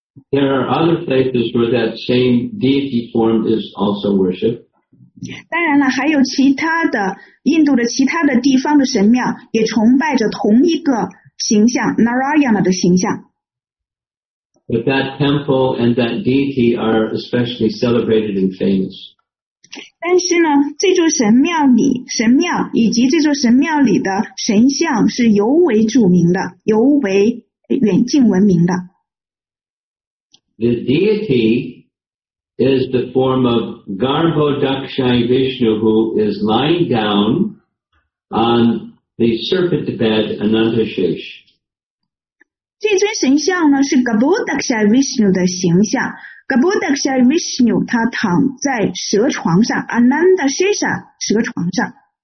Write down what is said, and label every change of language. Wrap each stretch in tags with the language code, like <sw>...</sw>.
<en>There are other places where that same deity form is also worshipped.</en> <zh>当然了，还有其他的印度的其他的地方的神庙也崇拜着同一个形象 Narayana 的形象。</zh> <en>But that temple and that deity are especially celebrated and famous.</en> <zh>但是呢，这座神庙里，神庙以及这座神庙里的神像是尤为著名的，尤为远近闻名的。</zh> <en>The deity is the form of Garbhodakshayi Vishnu who is lying down on the serpent bed Anantashesh.</en> <zh>这尊神像呢是 Garbhodakshayi Vishnu 的形象， Garbhodakshayi Vishnu 他躺在蛇床上， Anantashesha 蛇床上。</zh>